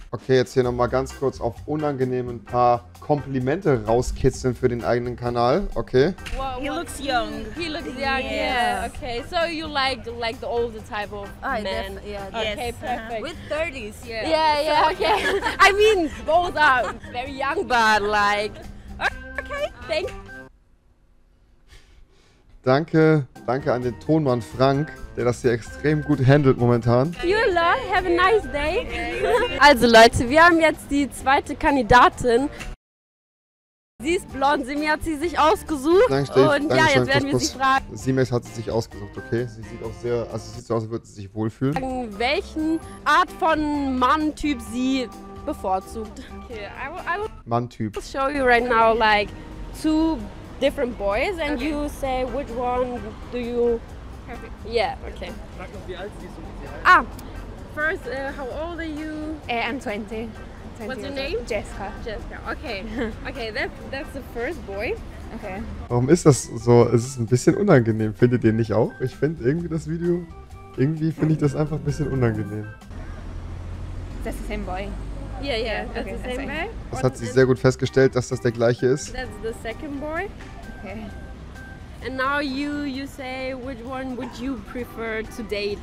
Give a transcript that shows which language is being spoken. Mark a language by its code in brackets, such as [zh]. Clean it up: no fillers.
[de] Okay, jetzt hier nochmal ganz kurz auf unangenehm ein paar Komplimente rauskitzeln für den eigenen Kanal. Okay. [en] He looks young. Yes. Yeah. Okay. So you like the older type of men. Yeah. Okay. Yes. Perfect. Uh-huh. With 30s. Yeah. Yeah. Yeah. Okay. I mean, both are very young, but like. Okay. Thank. [de] Danke. Danke an den Tonmann Frank, der das hier extrem gut handelt momentan. [en] You a lot. Have a nice day. [de] Also Leute, wir haben jetzt die zweite Kandidatin. Sie ist blond, Simi hat sie sich ausgesucht. Danke, Steve. Und danke, ja, jetzt werden wir sie fragen. Z-Max hat sie sich ausgesucht, okay? Sie sieht auch sehr, also sieht so aus, als würde sie sich wohlfühlen. In welchen Art von Mann-Typ sie bevorzugt? [en] Okay, I will [de] Mann-Typ. [en] I'll show you right now like two different boys and okay. You say which one do you. Perfect. Yeah, okay. [de] Frag noch, wie alt sie ist. [en] First, how old are you? I'm 20. What's your name? Jessica. Okay. Okay, that's the first boy. Okay. [de] Warum ist das so? Es ist ein bisschen unangenehm. Findet ihr nicht auch? Ich finde irgendwie das Video, irgendwie finde ich das einfach ein bisschen unangenehm. [en] That's the same boy. Yeah. That's okay, the same boy. [de] Das hat sie sehr gut festgestellt, dass das der gleiche ist. [en] That's the second boy. Okay. And now you say which one would you prefer to date?